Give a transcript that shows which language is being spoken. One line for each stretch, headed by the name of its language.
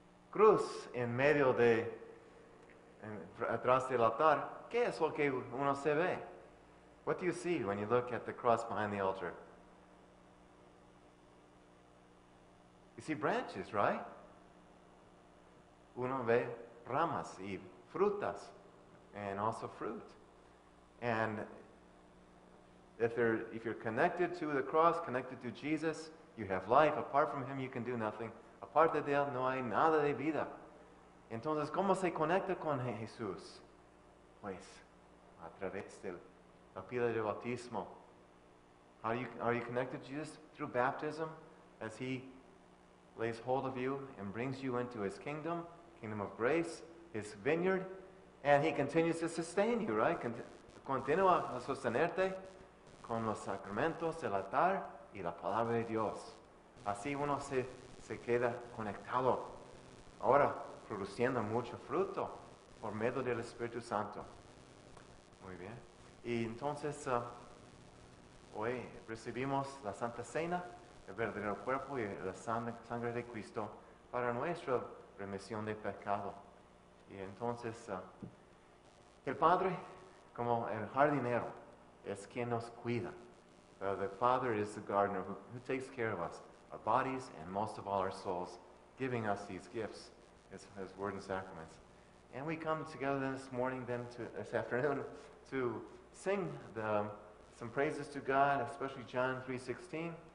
Spanish: Cruz en medio de, atrás del altar, ¿qué es lo que uno se ve?
English: What do you see when you look at the cross behind the altar? You see branches, right?
Spanish: Uno ve ramas y frutas,
English: and also fruit. And if you're connected to the cross, connected to Jesus, you have life. Apart from Him, you can do nothing.
Spanish: Aparte de Él, no hay nada de vida. Entonces, ¿cómo se conecta con Jesús? Pues, a través de la pila de bautismo.
English: Are you connected to Jesus through baptism? As He lays hold of you and brings you into His kingdom, kingdom of grace, His vineyard, and He continues to sustain you, right?
Spanish: Continúa a sostenerte con los sacramentos, el altar y la palabra de Dios. Así uno se queda conectado, ahora produciendo mucho fruto por medio del Espíritu Santo. Muy bien. Y entonces, hoy recibimos la Santa Cena, el verdadero cuerpo y la sangre de Cristo para nuestra remisión de pecado. Y entonces, el Padre, como el jardinero, es quien nos cuida.
English: The Father is the gardener who takes care of us. Our bodies, and most of all our souls, giving us these gifts, His word and sacraments. And we come together this afternoon, to sing some praises to God, especially John 3:16.